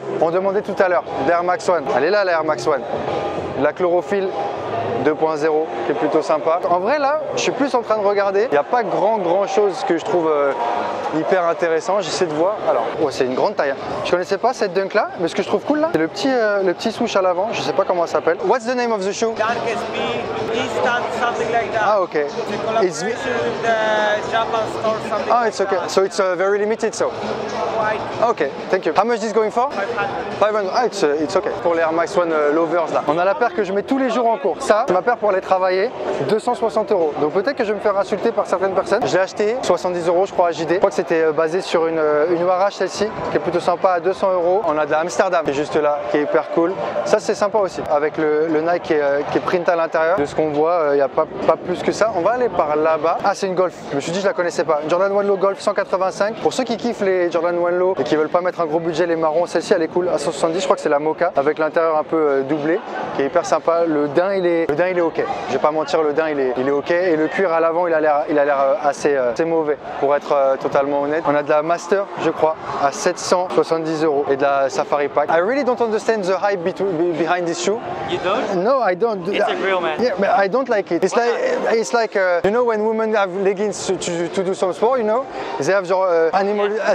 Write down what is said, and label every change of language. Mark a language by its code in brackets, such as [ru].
[fr] On demandait tout à l'heure l'Air Max One. Elle est là, l'Air Max One. La Chlorophylle 2.0, qui est plutôt sympa. En vrai, là, je suis plus en train de regarder. Il n'y a pas grand chose que je trouve hyper intéressant. J'essaie de voir. Alors, ouais, c'est une grande taille. Je connaissais pas cette dunk là, mais ce que je trouve cool là, c'est le petit souche à l'avant. Je sais pas comment ça s'appelle. [en] What's the name of the shoe? Dunk SB, Eastern, something like that. Ah, ok. It's a collaboration with the Japan store, something. Ah, it's okay. That. So it's very limited, so. Quite. Ok, thank you. How much is this going for? 500. Ah, it's okay. [fr] Pour les Air Max One Lovers là. On a la paire que je mets tous les jours en cours. Ça, c'est ma paire pour aller travailler, 260€. Donc peut-être que je vais me faire insulter par certaines personnes. Je l'ai acheté 70€ je crois à JD. Je crois que c'était basé sur une Warache celle-ci, qui est plutôt sympa à 200€. On a de la Amsterdam qui est juste là, qui est hyper cool. Ça c'est sympa aussi, avec le Nike qui est print à l'intérieur. De ce qu'on voit, il n'y a pas plus que ça. On va aller par là-bas. Ah, c'est une Golf. Je me suis dit, je la connaissais pas. Jordan One Low Golf 185. Pour ceux qui kiffent les Jordan One Low et qui veulent pas mettre un gros budget, les marrons, celle-ci elle est cool à 170. Je crois que c'est la Mocha avec l'intérieur un peu doublé, qui est hyper sympa. Le dain il est ok, je vais pas mentir, le dain il est ok, et le cuir à l'avant il a l'air assez mauvais pour être totalement honnête. On a de la Master je crois à 770€ et de la Safari Pack. [en] I really don't understand the hype behind this shoe. You don't? No, I don't. It's a grill, man. Yeah, but I don't like it. It's like, it's like you know when women have leggings to do some sport, you know, they have their animal, yeah.